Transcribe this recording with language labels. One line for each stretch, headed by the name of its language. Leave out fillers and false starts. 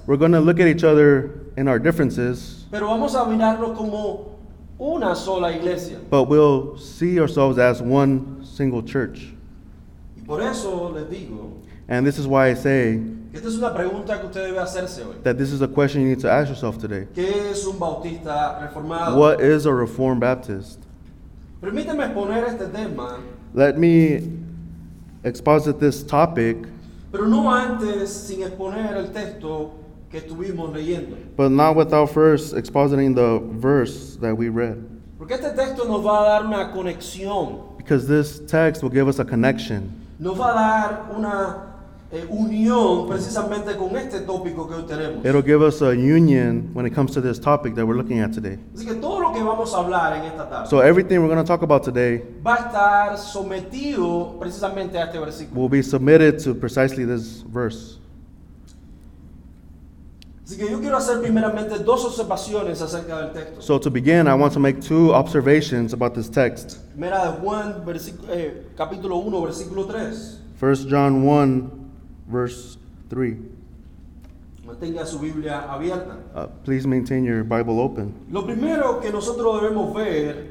English: We're going to look at each other in our differences.
Spanish: Pero vamos a mirarlo como una sola iglesia.
English: But we'll see ourselves as one single church.
Spanish: Y por eso les digo,
English: and this is why I say
Spanish: que esta es una pregunta que usted debe hacerse hoy.
English: That this is a question you need to ask yourself today.
Spanish: ¿Qué es un bautista reformado?
English: What is a Reformed Baptist?
Spanish: Permíteme exponer este tema.
English: Let me exposit this topic.
Spanish: Pero no antes sin exponer el texto que estuvimos leyendo.
English: But not without first expositing the verse that we read.
Spanish: Porque este texto nos va a dar una conexión.
English: Because this text will give us a connection.
Spanish: Nos va a dar una unión precisamente con este tópico que hoy tenemos.
English: It'll give us a union when it comes to this topic that we're looking at today.
Spanish: Así que todo lo que vamos a hablar en esta tarde.
English: So everything we're going to talk about today
Spanish: va a estar sometido precisamente a este versículo.
English: Will be submitted to precisely this verse.
Spanish: Así que yo quiero hacer primeramente dos observaciones acerca del texto.
English: So to begin, I want to make two observations about this text.
Spanish: Primera de Juan, capítulo 1, versículo 3.
English: 1 John 1, verse 3.
Spanish: Mantenga su Biblia abierta.
English: Please maintain your Bible open.
Spanish: Lo primero que nosotros debemos ver.